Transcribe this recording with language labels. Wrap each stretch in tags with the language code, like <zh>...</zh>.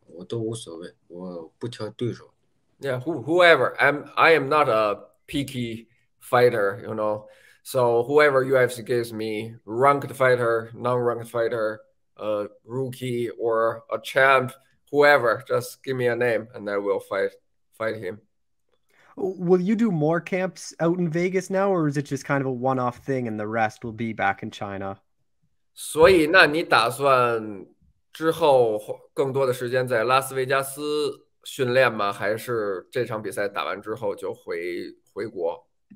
<zh>对，我之前是一样，不挑对手，给我安排是我打谁，比如排名高的还是排名低的还是新秀，我都无所谓，我不挑对手。Yeah,</zh> <en>whoever. I am not a picky fighter, you know. So whoever UFC gives me, ranked fighter, non-ranked fighter, a rookie or a champ, whoever, just give me a name and I will fight him. Will you do more camps out in Vegas now, or is it just kind of a one-off thing and the rest will be back in China?</en> <zh>所以那你打算之后更多的时间在拉斯维加斯训练吗？还是这场比赛打完之后就回国？</zh>